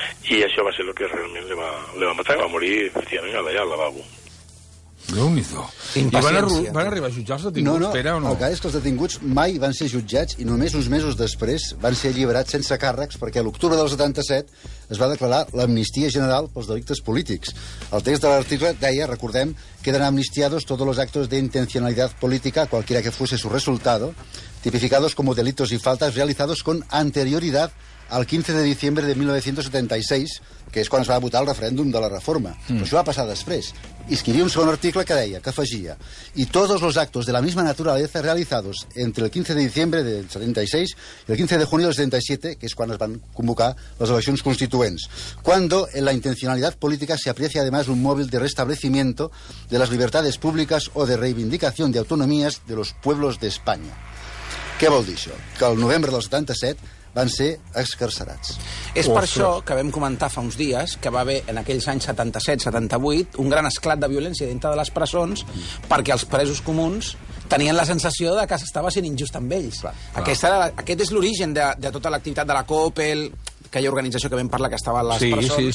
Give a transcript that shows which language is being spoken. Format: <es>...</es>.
<ca>I això va ser el que realment li va matar, va morir, efectivament, allà al lavabo. Déu-n'hi-do. I van arribar a jutjar els detinguts, Pere, o no? No, el que és que els detinguts mai van ser jutjats i només uns mesos després van ser alliberats sense càrrecs perquè a l'octubre del 77 es va declarar l'amnistia general pels delictes polítics.</ca> <es>El text de l'article deia, recordem, queden amnistiados todos los actos de intencionalidad política, cualquiera que fuese su resultado, tipificados como delitos y faltas realizados con anterioridad al 15 de diciembre de 1976,</es> <ca>que és quan es va votar el referèndum de la reforma. Mm. Però això va passar després. I escrivia un segon article que deia, que afegia,</ca> <es>i todos los actos de la misma naturaleza realizados entre el 15 de diciembre del 76 y el 15 de junio del 77,</es> <ca>que és quan es van convocar les eleccions constituents,</ca> <es>cuando en la intencionalidad política se aprecia además un móvil de restablecimiento de las libertades públicas o de reivindicación de autonomías de los pueblos de España.</es> <ca>Què vol dir això? Que el novembre del 77... van ser excarcerats. És per això que vam comentar fa uns dies que va haver, en aquells anys 77-78, un gran esclat de violència dintre de les presons perquè els presos comuns tenien la sensació de que s'estava sent injust amb ells. Aquest és l'origen de tota l'activitat de la COPEL, aquella organització que vam parlar que estava a les presons.</ca>